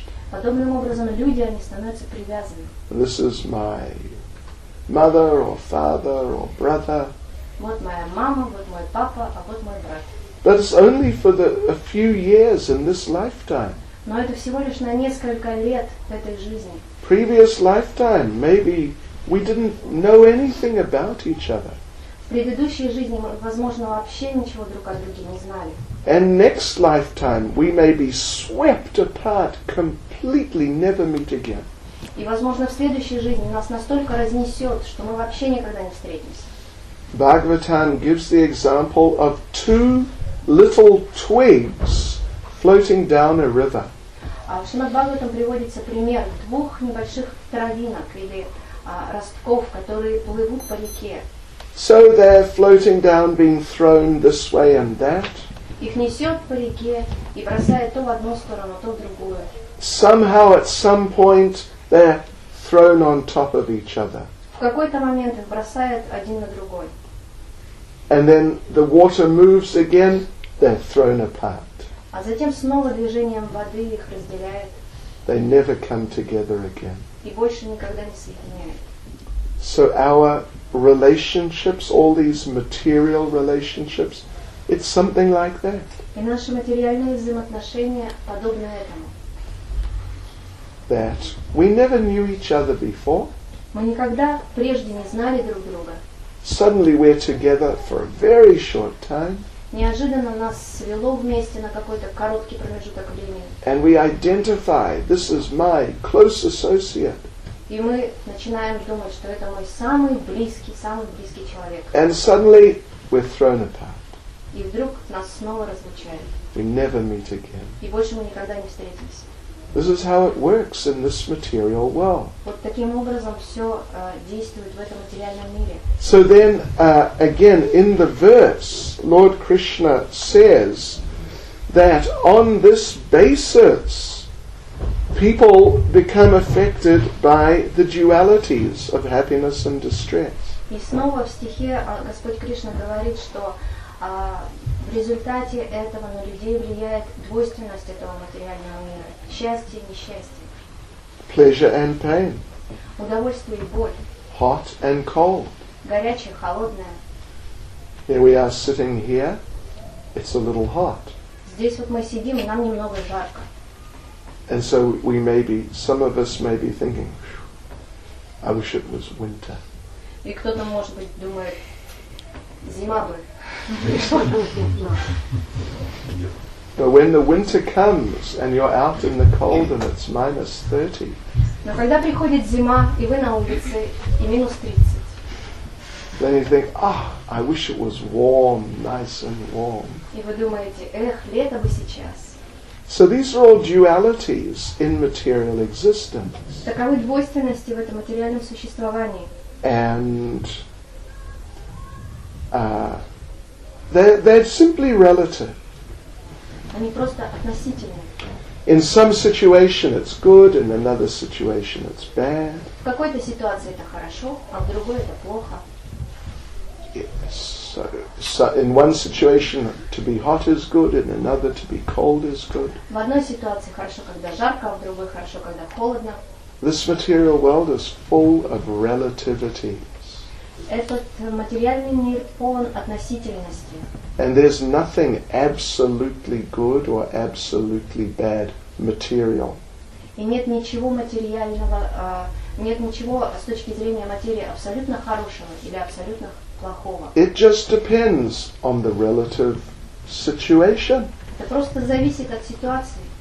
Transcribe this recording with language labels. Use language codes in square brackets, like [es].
[ru] Подобным образом люди, они становятся привязаны. [en] This is my mother or father or brother. [ru] Вот моя мама, вот мой папа, а вот мой брат. [en] But it's only for a few years in this lifetime. [ru] Но это всего лишь на несколько лет в этой жизни. [en] Previous lifetime, maybe we didn't know anything about each other. [ru] В предыдущей жизни, возможно, вообще ничего друг о друге не знали. [en] And next lifetime, we may be swept apart completely, never meet again. [ru] И, возможно, в следующей жизни нас настолько разнесет, что мы вообще никогда не встретимся. [en] Bhagavatam gives the example of two little twigs floating down a river. [ru] Шримад-Бхагаватам приводится пример двух небольших травинок или ростков, которые плывут по реке. [en] So they're floating down, being thrown this way and that. [ru] Их несет по реке и бросает то в одну сторону, то в другую. [en] Somehow at some point they're thrown on top of each other. [ru] В какой-то момент их бросает один на другой. [en] And then the water moves again, they're thrown apart. [ru] А затем снова движением воды их разделяет. [en] They never come together again. [ru] И больше никогда не соединяют. [en] So our relationships, all these material relationships, it's something like that. [ru] И наши материальные взаимоотношения подобны этому. [en] That we never knew each other before. [ru] Мы никогда прежде не знали друг друга. [en] Suddenly we're together for a very short time. [ru] Неожиданно нас свело вместе на какой-то короткий промежуток времени. [en] And we identify, this is my close associate. [ru] И мы начинаем думать, что это мой самый близкий человек. [en] And suddenly we're thrown apart. [ru] И вдруг нас снова разлучают. [en] We never meet again. [ru] И больше мы никогда не встретимся. [en] This is how it works in this material world. [ru] Вот таким образом все действует в этом материальном мире. [en] So then, again, in the verse, Lord Krishna says that on this basis, people become affected by the dualities of happiness and distress. [ru] И снова в стихе Господь Кришна говорит, что в результате этого на людей влияет двойственность этого материального мира. Счастье и несчастье. [en] Pleasure and pain. [ru] Удовольствие и боль. [en] Hot and cold. [ru] Горячее, холодное. [en] Here we are sitting here. It's a little hot. [ru] Здесь вот мы сидим, и нам немного жарко. [en] And so we may be, some of us may be thinking, I wish it was winter. [ru] И кто-то, может быть, думает, зима бы. [en] But when the winter comes and you're out in the cold and it's minus 30. [ru] Но когда приходит зима и вы на улице и минус 30. [en] Then you think, ah, I wish it was warm, nice and warm. [ru] И вы думаете, эх, лето бы сейчас. [en] So these are all dualities in material existence. [ru] Таковы двойственности в этом материальном существовании. [en] And they're simply relative. [ru] Они просто относительные. [en] In some situation it's good, in another situation it's bad. [ru] В какой-то ситуации это хорошо, а в другой это плохо. [en] Yes. So in one situation to be hot is good, in another to be cold is good. [ru] В одной ситуации хорошо, когда жарко, а в другой хорошо, когда холодно. [en] This material world is full of relativity. [ru] Этот материальный мир полон относительности. [en] And there's nothing absolutely good or absolutely bad material. [ru] И нет ничего материального, нет ничего с точки зрения материи абсолютно хорошего или абсолютно плохого. [en] It just depends on the relative situation. [ru] Это просто зависит от ситуации.